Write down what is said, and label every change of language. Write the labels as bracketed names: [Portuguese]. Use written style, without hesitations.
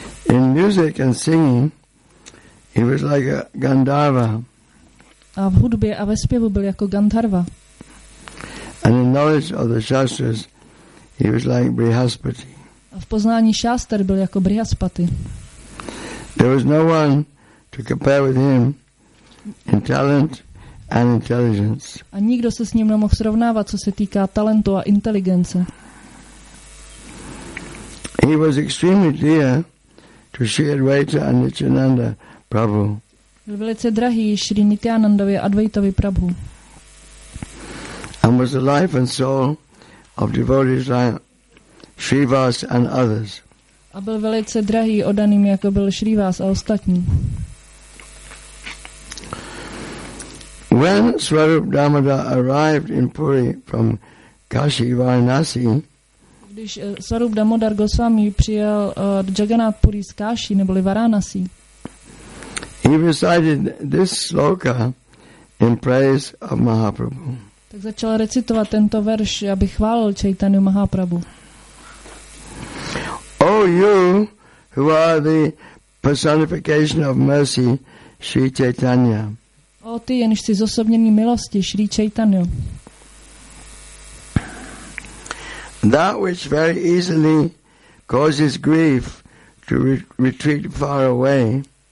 [English] In music and singing, he was like a Gandharva. [Czech] A v hudbě a ve zpěvu byl jako Gandharva. [English] And in knowledge of the shastras, he was like Brihaspati. [Czech] A v poznání šástr byl jako Brihaspati. [English] There was no one to compare with him in talent and intelligence. [Czech] A nikdo se s ním nemohl srovnávat, co se týká talentu a inteligence. [English] He was extremely dear to Sri Advaita and Nityananda Prabhu. [Czech] Byl velice drahý Sri Nityanandovi Advaitovi Prabhu. [English] And was the life and soul of devotees like Srivas and others. [Czech] A byl velice drahý odaným, jako byl Srivas a ostatní. [English] When Swarup Damodar arrived in Puri from Kashi Varanasi, [Czech] když Swarup Damodar Goswami přijel do Jagannath Puri z Kashi neboli Varanasi, [English] he recited this sloka in praise of Mahaprabhu. [Czech] Tak začal recitovat tento verš, aby chválil Chaitanyu Mahaprabhu. [English] Oh you who are the personification of mercy, Sri Chaitanya. [Czech] O ty, jenž jsi zosobnění milosti, Sri Chaitanyo. [English] That which very easily causes grief to retreat far away.